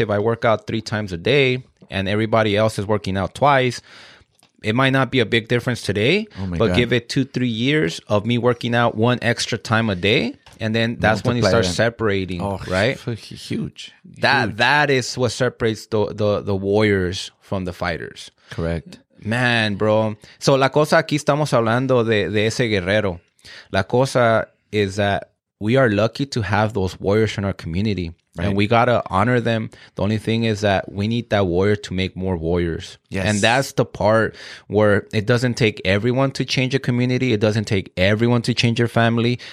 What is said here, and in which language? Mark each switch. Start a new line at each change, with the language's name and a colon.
English: If I work out 3 times a day and everybody else is working out twice, it might not be a big difference today, give it 2-3 years of me working out one extra time a day. And then that's multiply when you start separating, right? Huge. That is what separates the warriors from the fighters. Correct. Man, bro.
Spanish: So la cosa aquí estamos hablando de ese guerrero. La cosa
English: is that we are lucky to have those warriors in our community. Right. And we got to honor them. The only thing is that we need that warrior to make more warriors. Yes. And that's the part where it doesn't take everyone to change a community. It doesn't take everyone to change your family.